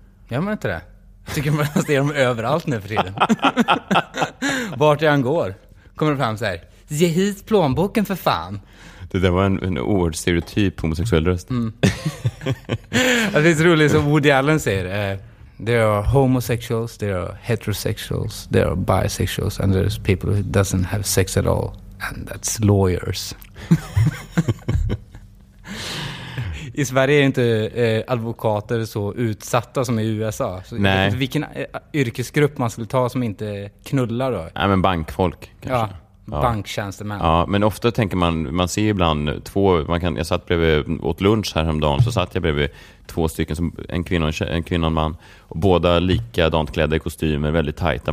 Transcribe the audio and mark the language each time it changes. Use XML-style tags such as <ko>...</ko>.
<sv>Gör man inte det? Jag tycker man ser dem överallt nu för tiden. Vart jag än går kommer de fram så här, ge hit plånboken för fan. Det där var en oerhört stereotyp homosexuell röst. Det finns roligt som Woody Allen säger.</sv> <en>There are homosexuals, there are heterosexuals, there are bisexuals, and there's people who doesn't have sex at all, and that's lawyers.</en> <sv>I Sverige är inte advokater så utsatta som i USA. Så nej. Vilken yrkesgrupp man skulle ta som inte knullar då? Nej, men bankfolk kanske. Ja. Banktjänstemän. Ja, men ofta tänker man ser ibland två, jag satt bredvid åt lunch här om dagen, så satt jag bredvid två stycken som en kvinna och en man, och båda likadant klädda i kostymer, väldigt tajta.</sv>